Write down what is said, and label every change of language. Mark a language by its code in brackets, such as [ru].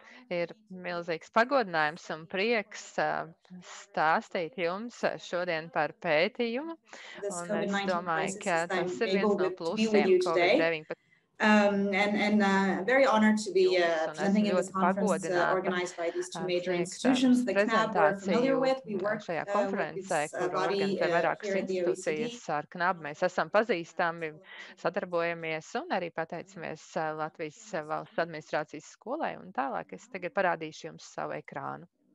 [lv] Ir milzīgs pagodinājums un prieks stāstīt jums šodien par pētījumu. Un es domāju, ka tas ir viens no plusiem COVID-19. [en] Very honored to be attending in this conference organized by these two major institutions, the CNAB we're familiar with. We work [lv] šajā konferencē, kur organizē vairākas institūcijas ar CNAB. Mēs esam pazīstami, sadarbojamies un arī pateicamies Latvijas valsts administrācijas skolai. Un tālāk es tagad parādīšu jums savu ekrānu.